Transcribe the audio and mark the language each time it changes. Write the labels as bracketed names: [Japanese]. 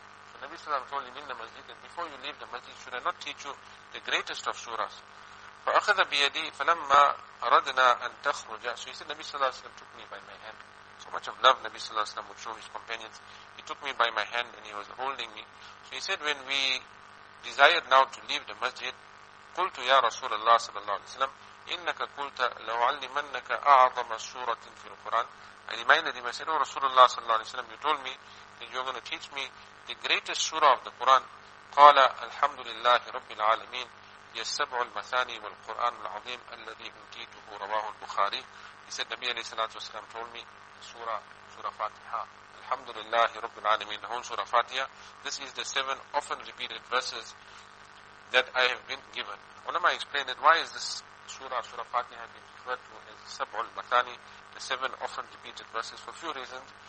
[English] So Nabi sallam told him in the masjid that before you leave the masjid, should I not teach you the greatest of surahs? [Arabic] فَأَخَذَ بِيَدِي فَلَمَّا أَرَدْنَا أَن تَخْرُجَ. [English] So he said, Nabi sallallahu alayhi wa sallam took me by my hand. So much of love Nabi sallallahu alayhi wa sallam would show his companions. He took me by my hand and he was holding me. So he said, when we desired now to leave the masjid, [Arabic] قلت يا رسول الله صلى الله عليه وسلم إنك قلت لو علمنك أعظم سورة في القرآن. [English] I reminded him, I said, oh Rasulullah صلى الله عليه وسلم, you told me that you're going to teach me the greatest surah of the Quran. [Arabic] قال الحمد لله رب العالمين هي السبع المثاني والقرآن العظيم الذي أوتيته رواه البخاري. [English] He said, Nabi عليه الصلاة والسلام told me سورة فاتحة. [Arabic] الحمد لله رب العالمين. هون سورة فاتحة. [English] This is the seven often repeated verses that I have been given. Ulama explained that why is this Surah Fatiha been referred to as Sab'ul Mathani, the seven often repeated verses, for a few reasons.